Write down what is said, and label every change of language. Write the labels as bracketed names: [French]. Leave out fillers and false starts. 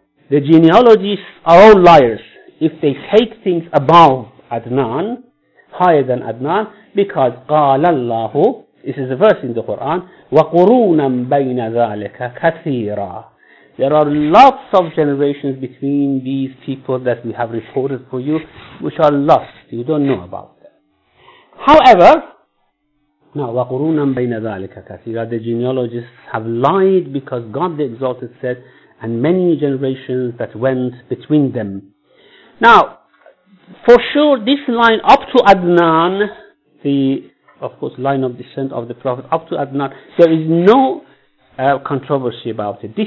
[English] The genealogists are all liars if they take things above Adnan, higher than Adnan, because [Arabic] قَالَ اللَّهُ, [English] this is a verse in the Quran, [Arabic] وَقُرُونًا بَيْنَ ذَلِكَ كَثِيرًا. [English] There are lots of generations between these people that we have reported for you, which are lost. You don't know about them. However, now, [Arabic] وَقُرُونًا بَيْنَ ذَلِكَ كَثِيرًا. [English] The genealogists have lied because God the Exalted said, and many generations that went between them. Now, for sure, this line up to Adnan, the, of course, line of descent of the Prophet, up to Adnan, there is no controversy about it.